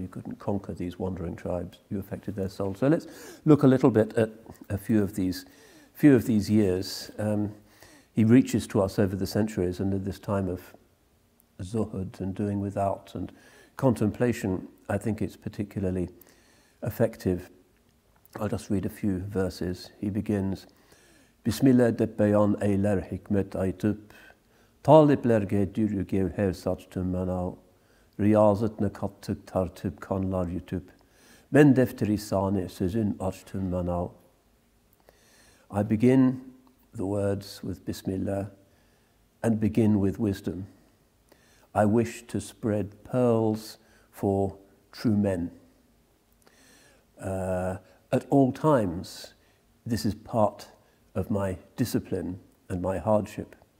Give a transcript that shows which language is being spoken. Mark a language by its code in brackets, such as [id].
[en] You couldn't conquer these wandering tribes, you affected their soul. So let's look a little bit at a few of these years. He reaches to us over the centuries, and at this time of Zuhud and doing without and contemplation, I think it's particularly effective. I'll just read a few verses. He begins, [chg] Bismillah de beyan eyler hikmet aytup, taliplerge dürü gevher saçtım manav, riyazetne kattık tartıp kanlar yutup, ben defteri sani sözün açtım manav. [en] I begin the words with Bismillah and begin with wisdom. I wish to spread pearls for true men. At all times, this is part of my discipline and my hardship.